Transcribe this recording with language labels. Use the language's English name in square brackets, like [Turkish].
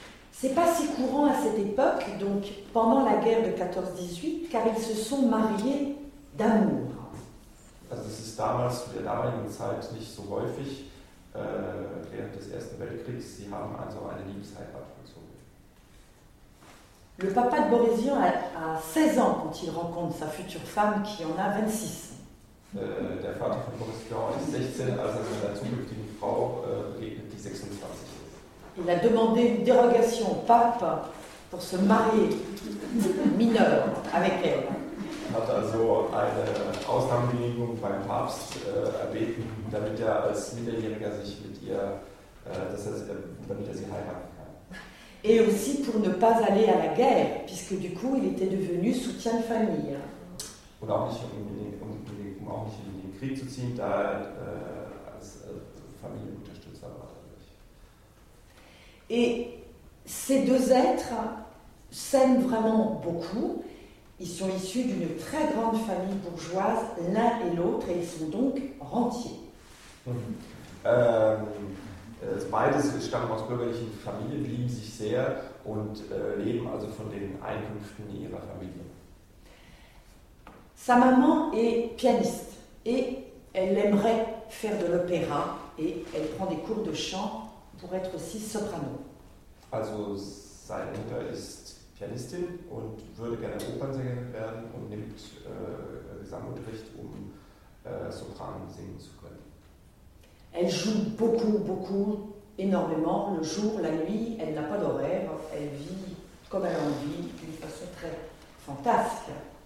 [French] C'est pas si courant à cette époque, donc pendant la guerre de 14-18, car ils se sont mariés d'amour. [German] Also es ist damals, in der damaligen Zeit, nicht so häufig, während des Ersten Weltkriegs, sie haben also eine Liebesheirat vollzogen. [French] Le papa de Boris Vian a 16 ans quand il rencontre sa future femme qui en a 26. [German] Der Vater von Boris Vian ist 16, als er seiner zukünftigen Frau begegnet, die 26. [French] Il a demandé une dérogation au pape pour se marier mineur avec elle. Il a [German] also eine Ausnahmegenehmigung beim Papst erbeten, damit er als Minderjähriger sich mit ihr, damit er sie heiraten kann. [French] Et aussi pour ne pas aller à la guerre, puisque du coup il était devenu soutien de famille. [German] Und auch nicht um in den Krieg zu ziehen, da als Familienunterstützer war. [French] Et ces deux êtres s'aiment vraiment beaucoup. Ils sont issus d'une très grande famille bourgeoise, l'un et l'autre, et ils sont donc rentiers. [German] Beides stammen aus bürgerlichen Familien, lieben sich sehr und leben also von den Einkünften ihrer Familie. [French] Sa maman est pianiste et elle aimerait faire de l'opéra et elle prend des cours de chant pour être aussi soprano. [German] Also seine Mutter ist Pianistin und würde gerne Opernsängerin werden und nimmt Gesangunterricht, um Sopran singen zu können. [French] Elle joue beaucoup, beaucoup, énormément, le jour, la nuit, elle n'a pas d'horaire, elle vit comme elle en vit, d'une façon très fantastique.